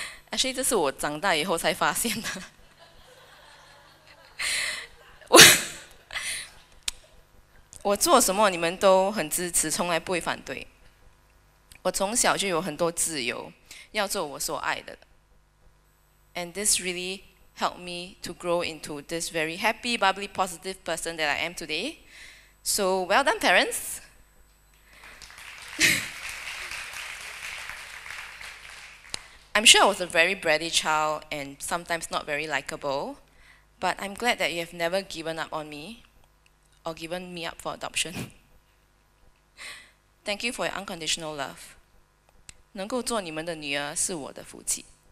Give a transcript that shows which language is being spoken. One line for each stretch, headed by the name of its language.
English: Actually,
Chinese: 这是我长大以后才发现的。我做什么你们都很支持，从来不会反对。我从小就有很多自由，要做我所爱的。
English: And this really helped me to grow into this very happy, bubbly, positive person that I am today. So, well done, parents. I'm sure I was a very bratty child and sometimes not very likable, but I'm glad that you have never given up on me or given me up for adoption. Thank you for your unconditional love.
Chinese: 能够做你们的女儿是我的福气。